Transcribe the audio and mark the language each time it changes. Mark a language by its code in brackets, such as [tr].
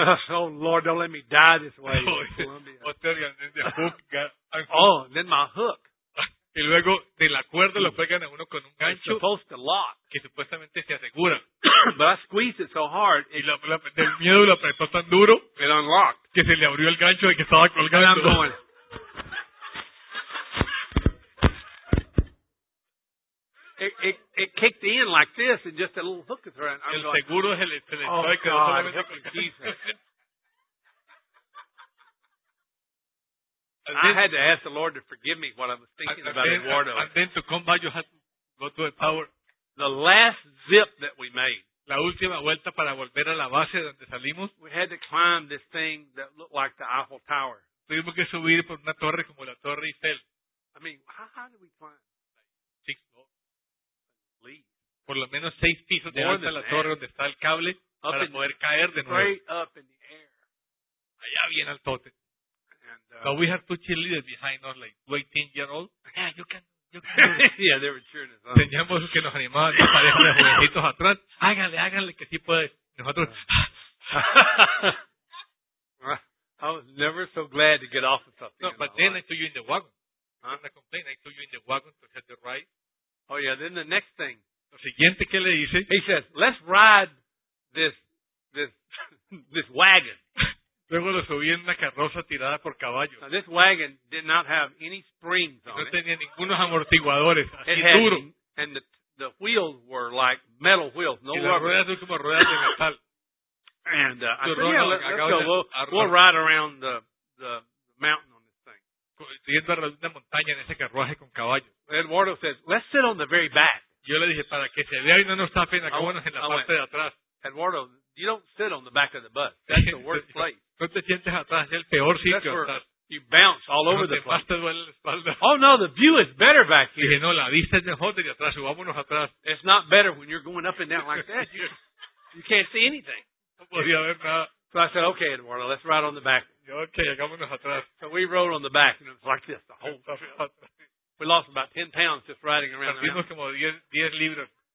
[en] Oh, Lord, don't let me die this way. Oh, then my hook. [es] Y luego de la cuerda lo pegan a uno con un gancho. [en] It's supposed to lock. [es] Que supuestamente se asegura. [en] But I squeezed it so hard. [es] Y del miedo lo apretó tan duro. [en] It unlocked. [es] Que se le abrió el gancho de que estaba colgando. [en] And I'm going, it kicked in like this, and just a little hook is around. [es] El seguro es el electrónico. [en] Oh, God, help me, Jesus. Then, I had to ask the Lord to forgive me what I was thinking about Eduardo. And then to come back, you had to go to the tower. The last zip that we made. [es] La última vuelta para volver a la base donde salimos. [en] We had to climb this thing that looked like the Eiffel Tower. [es] Tuvimos que subir por una torre como la Torre Eiffel. [en] I mean, how did we climb? Six floors. [es] Por lo menos seis pisos de alta la torre donde está el cable para poder caer de nuevo. [en] Straight up in the air. [es] Allá bien al tote. [en] But we have two cheerleaders behind us, like 18-year-olds. Yeah, you can. Yeah, they were cheering us on. [es] Teníamos que nos animaban, dos parejas de jovencitos atrás. Hágale, que sí puede. Nosotros. [en] I was never so glad to get off of something. No, but then life. I threw you in the wagon. I'm not complaining. I threw you in the wagon to have the ride. Oh, yeah, then the next thing. [es] Lo siguiente que le dice. [en] He says, let's ride this wagon. [es] Luego lo subí en una carroza tirada por caballos. [en] Now, this wagon did not have any springs on [es] it. No tenía ningunos amortiguadores, así [en] had, [es] duro. [en] And the wheels were like metal wheels, no rubber. [es] Y las ruedas son como ruedas de metal. [en] And we'll ride around the mountain on this thing. [es] Siguiendo a la montaña en ese carruaje con caballos. [en] Eduardo says, let's sit on the very back. [es] Yo le dije, para que se vea y no nos tapen, acabamos en la parte de atrás. [en] Eduardo, you don't sit on the back of the bus. That's the worst place. [es] No te sientes atrás, es el peor sitio. [en] You bounce all over the place. [es] Te duele la espalda. [en] Oh no, the view is better back here. [es] Dije, no, la vista es mejor de atrás, vámonos atrás. [en] It's not better when you're going up and down like that. You can't see anything. [es] No podía ver nada. [en] So I said, okay, Eduardo, let's ride on the back. [es] Okay, vámonos atrás. [en] So we rode on the back, and it was like this the whole trip. We lost about 10 pounds just riding around. [es] Perdimos como 10 libras.